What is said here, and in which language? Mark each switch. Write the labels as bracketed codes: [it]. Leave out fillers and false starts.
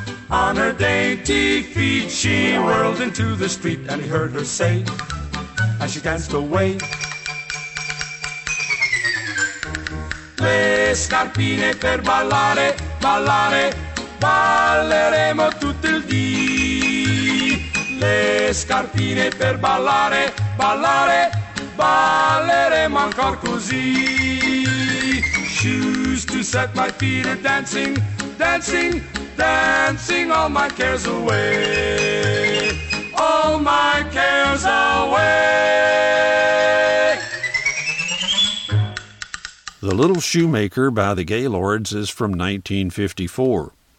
[en] On her dainty feet she whirled into the street, and he heard her say as she danced away, [it] le scarpine per ballare, ballare, balleremo tutto il dì. Le scarpine per ballare, ballare, balleremo ancora così. [en] Shoes to set my feet a dancing, dancing, dancing all my cares away, all my cares away. The Little Shoemaker by the Gaylords is from 1954.